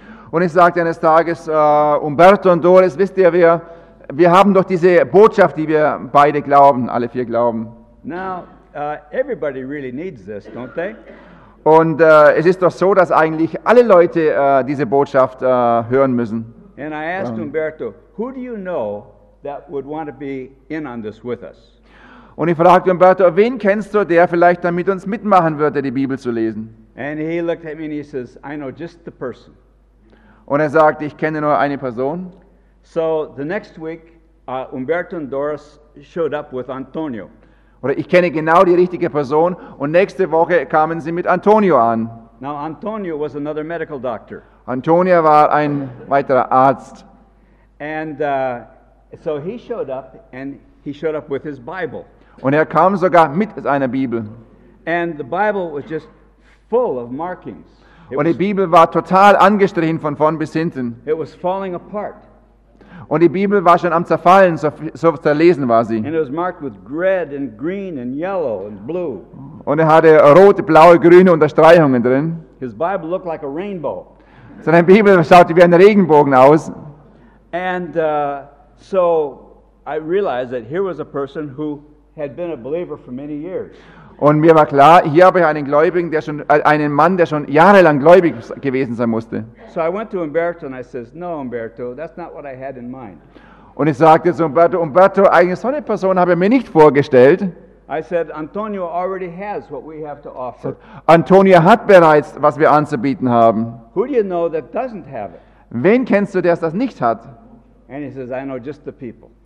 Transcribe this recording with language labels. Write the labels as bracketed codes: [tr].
[de] Und ich sagte eines Tages, Umberto und Doris, wisst ihr, wir haben doch diese Botschaft, die wir beide glauben, alle vier glauben. [en] Now, everybody really needs this, don't they? [de] Und es ist doch so, dass eigentlich alle Leute diese Botschaft hören müssen. [en] And I asked Umberto, who do you know that would want to be in on this with us? [de] Und ich fragte Umberto, wen kennst du, der vielleicht dann mit uns mitmachen würde, die Bibel zu lesen? [en] And he looked at me and he says, I know just the person. [de] Und er sagte, ich kenne nur eine Person. [en] So the next week, Umberto and Doris showed up with Antonio. [de] Oder ich kenne genau die richtige Person und nächste Woche kamen sie mit Antonio an. [en] Now Antonio was another medical doctor. [de] Antonio war ein weiterer Arzt. [en] And so he showed up and he showed up with his Bible. [de] Und kam sogar mit seiner Bibel. [en] And the Bible was just full of markings. [de] Und die Bibel war total angestrichen von vorn bis hinten. [en] It was falling apart. [de] Und die Bibel war schon am Zerfallen, so zerlesen war sie. [en] And it was marked with red and green and yellow and blue. [de] Und hatte rote, blaue, grüne Unterstreichungen drin. [en] His Bible looked like a rainbow. [de] Seine Bibel schaute wie ein Regenbogen aus. [en] And so I realized that here was a person who had been a believer for many years. [de] Und mir war klar, hier habe ich einen Gläubigen, einen Mann, der schon jahrelang gläubig gewesen sein musste. [en] So I went to Umberto and I says, no, Umberto, that's not what I had in mind. [de] Und ich sagte zu Umberto, eine solche Person habe ich mir nicht vorgestellt. [en] I said, Antonio already has what we have to offer. Said, [de] Antonio hat bereits, was wir anzubieten haben. [en] Who do you know that doesn't have it? [de] Wen kennst du, der das nicht hat? [en] And he says, I know just the people.